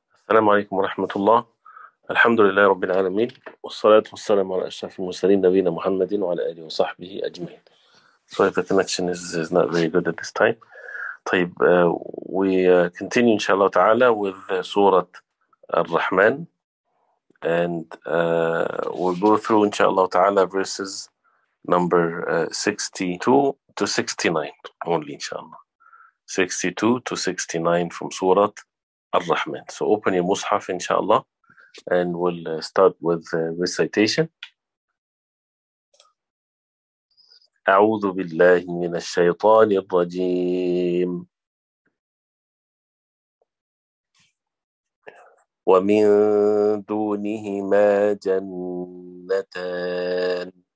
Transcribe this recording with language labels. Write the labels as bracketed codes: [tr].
[ar] السلام عليكم ورحمة الله. الحمد لله رب العالمين، والصلاة والسلام على أشرف المرسلين نبينا محمد وعلى آله وصحبه أجمعين. [en] Sorry, the connection is not very good at this time. [ar] طيب، [en] we continue [ar] إن شاء الله تعالى [en] with [ar] سورة الرحمن. [en] And we'll go through [ar] إن شاء الله تعالى [en] verses number 62 to 69 only [ar] إن شاء الله. [en] 62 to 69 from سورة الرحمن. So open your Mus'haf inshallah and we'll start with recitation. [ar] أعوذ بالله من الشيطان الرجيم. ومن دونهما جنتان.